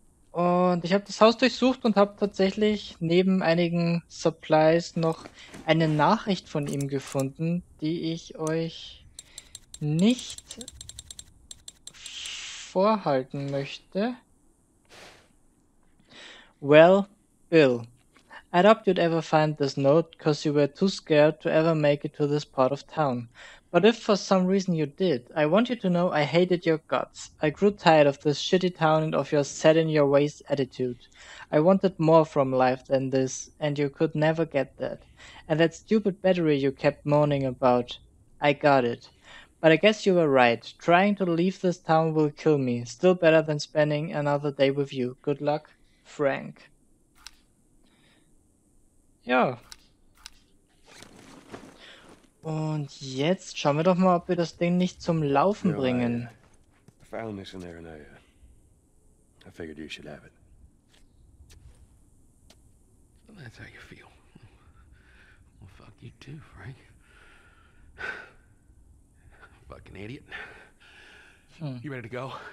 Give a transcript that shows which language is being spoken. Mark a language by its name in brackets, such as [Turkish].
[German] Und ich habe das Haus durchsucht und habe tatsächlich neben einigen Supplies noch eine Nachricht von ihm gefunden, die ich euch nicht vorhalten möchte. [English] Well, Bill, I doubt you'd ever find this note, because you were too scared to ever make it to this part of town. But if for some reason you did, I want you to know I hated your guts. I grew tired of this shitty town and of your set in your ways attitude. I wanted more from life than this, and you could never get that. And that stupid battery you kept moaning about, I got it. But I guess you were right. Trying to leave this town will kill me. Still better than spending another day with you. Good luck, Frank. [German] Ja. Und jetzt schauen wir doch mal, ob wir das Ding nicht zum Laufen [English] No, [German] bringen. [English] I found this in there and I figured you should have it. Well, that's how you feel. Well, fuck you too, Frank. Fucking idiot. You ready to go?